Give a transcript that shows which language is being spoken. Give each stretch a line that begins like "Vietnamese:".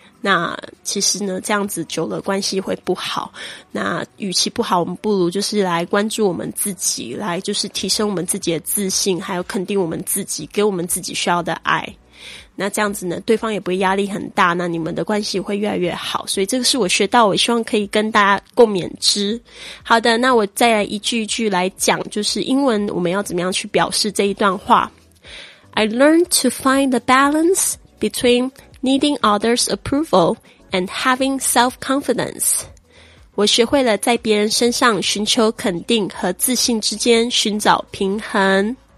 Chinese: 那其实呢这样子久了关系会不好，那与其不好，我们不如就是来关注我们自己，来就是提升我们自己的自信，还有肯定我们自己，给我们自己需要的爱，那这样子呢对方也不会压力很大，那你们的关系会越来越好。所以这个是我学到，我希望可以跟大家共勉之。好的，那我再来一句一句来讲，就是英文我们要怎么样去表示这一段话。
English: I learned to find the balance between needing others' approval and having self-confidence.
Chinese: 我学会了在别人身上寻求肯定和自信之间寻找平衡。